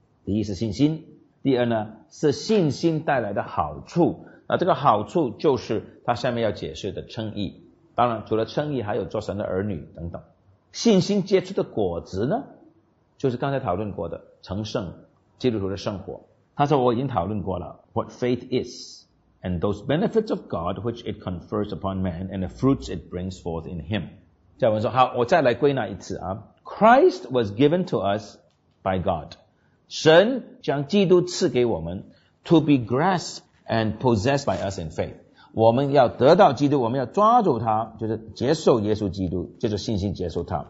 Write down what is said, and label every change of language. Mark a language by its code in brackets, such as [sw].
[zh] 第一是信心，第二呢是信心带来的好处。那这个好处就是他下面要解释的称义，当然除了称义还有做神的儿女等等。信心结出的果子呢，就是刚才讨论过的成圣，基督徒的圣活。他说我已经讨论过了 [en] What faith is and those benefits of God which it confers upon man and the fruits it brings forth in him。 [zh] 加尔文说好，我再来归纳一次啊。 [en] Christ was given to us by God， [zh] 神将基督赐给我们 [en] to be grasped and possessed by us in faith。 [zh] 我们要得到基督，我们要抓住他，就是接受耶稣基督，就是信心接受他。